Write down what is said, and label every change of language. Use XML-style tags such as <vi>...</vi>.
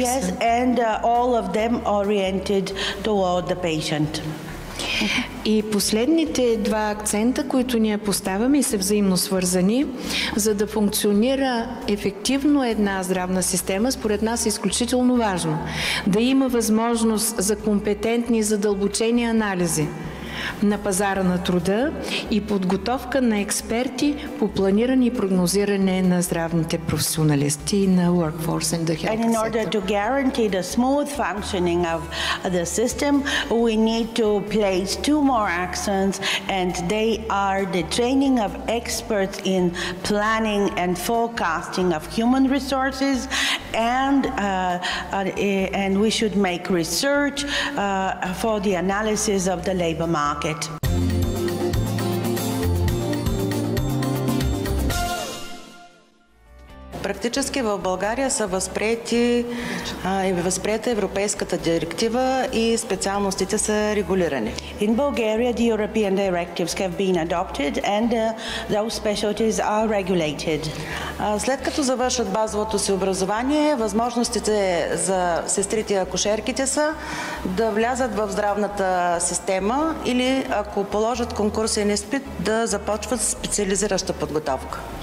<en>Yes, and all of them oriented toward the patient.</en> <bg>И последните два акцента, които ние поставяме и са взаимно свързани, за да функционира ефективно една здравна система, според нас е изключително важно да има възможност за компетентни, задълбочени анализи на пазара на труда и подготовка на експерти по планиране и прогнозиране на здравните професионалисти и на</bg> <en>workforce in the health sector. And in order to guarantee the smooth functioning of the system, we need to place two more accents, and they are the training of experts in planning and forecasting of human resources, and we should make research for the analysis of the labor market.</en> <bg>Практически в България са възприети и възприета европейската директива и специалностите са регулирани.</bg> <en>In Bulgaria the European directives have been adopted and those specialties are regulated.</en> <bg>След като завършат базовото си образование, възможностите за сестрите и акушерките са да влязат в здравната система или ако положат конкурсен изпит да започват специализираща подготовка.</bg>